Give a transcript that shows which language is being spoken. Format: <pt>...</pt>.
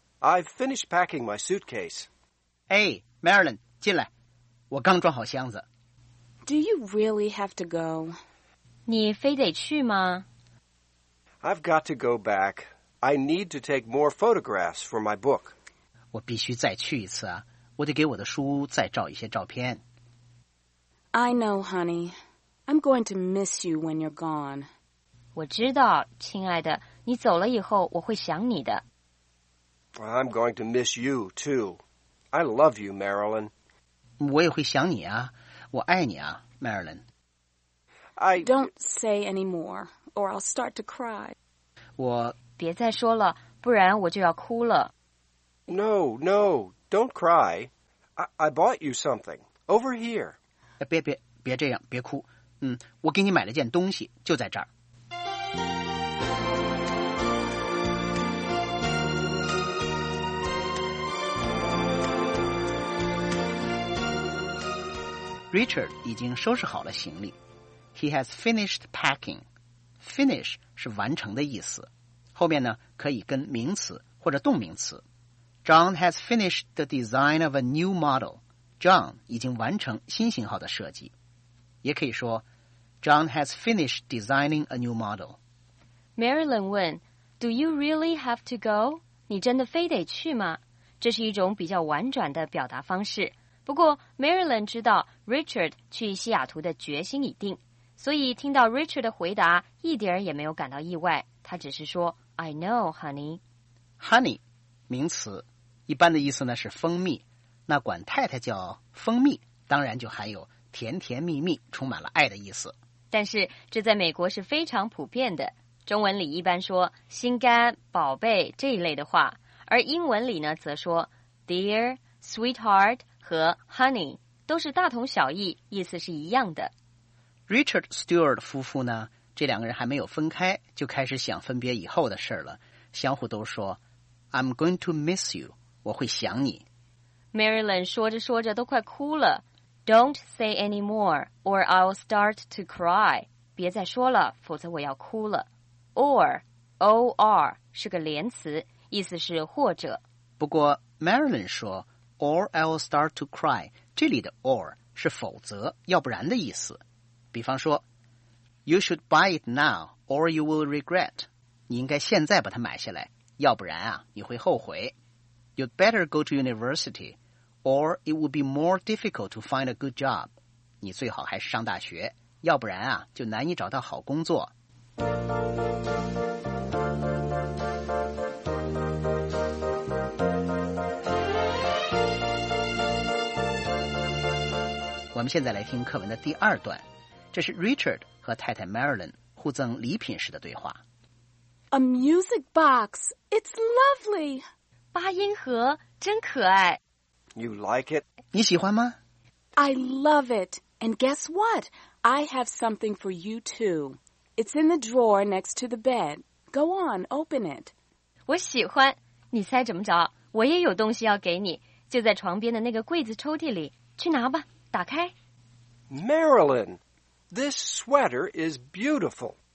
<en>I've finished packing my suitcase. Hey, Marilyn,</en> <zh>进来。我刚装好箱子。</zh> <en>Do you really have to go?</en> <zh>你非得去吗？</zh> <en>I've got to go back. I need to take more photographs for my book.</en> <zh>我必须再去一次啊。我得给我的书再照一些照片。</zh> <en>I know, honey. I'm going to miss you when you're gone.</en> <zh>我知道，亲爱的，你走了以后我会想你的。</zh> <en>I'm going to miss you, too. I love you, Marilyn.</en> <zh>我也会想你啊。我爱你啊 ,Marilyn.</zh> <en>I... Don't say any more, or I'll start to cry.</en> <zh>我别再说了，不然我就要哭了。</zh> <en>No, no. Don't cry. I bought you something. Over here.</en> <zh>别这样，别哭。我给你买了件东西，就在这儿。 Richard 已经收拾好了行李。</zh> <en>He has finished packing.</en> <zh>Finish 是完成的意思。后面呢，可以跟名词或者动名词。</zh> <en>John has finished the design of a new model.</en> <zh>John 已经完成新型号的设计。也可以说</zh> <en>John has finished designing a new model. Marilyn</en> <zh>问</zh> <en>Do you really have to go?</en> <zh>你真的非得去吗？这是一种比较婉转的表达方式。不过 Marilyn 知道 Richard 去西雅图的决心已定，所以听到 Richard 的回答一点也没有感到意外。他只是说</zh> <en>I know, honey.</en> <zh>Honey名词，一般的意思呢是蜂蜜，那管太太叫蜂蜜，当然就含有甜甜蜜蜜，充满了爱的意思。但是这在美国是非常普遍的，中文里一般说心肝、宝贝这一类的话，而英文里呢则说 dear、sweetheart 和 honey 都是大同小异，意思是一样的。 Richard Stewart 夫妇呢，这两个人还没有分开，就开始想分别以后的事了，相互都说</zh> <en>I'm going to miss you.</en> <zh>我会想你。 Marilyn 说着说着都快哭了。</zh> <en>Don't say any more, or I'll start to cry.</en> <zh>别再说了，否则我要哭了。Or 是个连词，意思是或者。不过</zh> <en>Marilyn 说 or I'll start to cry.</en> <zh>这里的 or 是否则，要不然的意思。比方说</zh> <en>，You should buy it now, or you will regret.</en> <zh>你应该现在把它买下来。要不然啊，你会后悔。</zh> <en>You'd better go to university, or it would be more difficult to find a good job.</en> <zh>你最好还是上大学，要不然啊，就难以找到好工作。我们现在来听课文的第二段，这是 Richard 和太太 Marilyn 互赠礼品时的对话。</zh> <en>A music box. It's lovely.</en> <zh>八音盒真可爱。</zh> <en>You like it?</en> <zh>你喜欢吗？</zh> <en>I love it. And guess what? I have something for you too. It's in the drawer next to the bed. Go on, open it.</en> <zh>我喜欢。你猜怎么着？我也有东西要给你，就在床边的那个柜子抽屉里。去拿吧，打开。</zh> <en>Marilyn, this sweater is beautiful.</en>